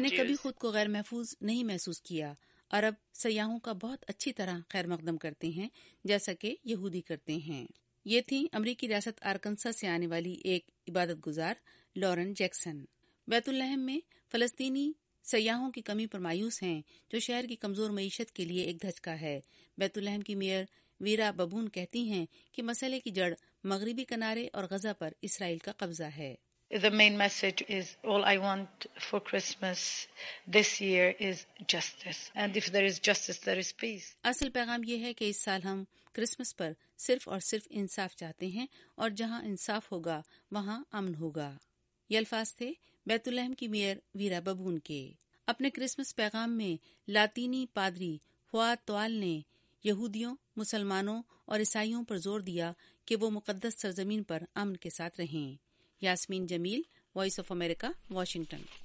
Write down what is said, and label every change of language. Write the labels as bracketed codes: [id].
[ur] نے کبھی خود کو غیر محفوظ نہیں محسوس کیا۔ عرب سیاحوں کا بہت اچھی طرح خیر مقدم کرتے ہیں، جیسا کہ یہودی کرتے ہیں۔ یہ تھیں امریکی ریاست آرکنسا سے آنے والی ایک عبادت گزار لورن جیکسن۔ بیت الحم میں فلسطینی سیاحوں کی کمی پر مایوس ہیں، جو شہر کی کمزور معیشت کے لیے ایک دھچکا ہے۔ بیت الحم کی میئر ویرا ببون کہتی ہیں کہ مسئلے کی جڑ مغربی کنارے اور غزہ پر اسرائیل کا قبضہ ہے۔ [en] The main message is all I want for Christmas this year is justice. And if there is justice, there is peace. [ur] اصل پیغام یہ ہے کہ اس سال ہم کرسمس پر صرف اور صرف انصاف چاہتے ہیں، اور جہاں انصاف ہوگا وہاں امن ہوگا۔ یہ الفاظ تھے بیت الحم کی میئر ویرا ببون کے۔ اپنے کرسمس پیغام میں لاطینی پادری فواد توال نے یہودیوں، مسلمانوں اور عیسائیوں پر زور دیا کہ وہ مقدس سرزمین پر امن کے ساتھ رہیں۔ یاسمین جمیل، وائس آف امریکہ، واشنگٹن۔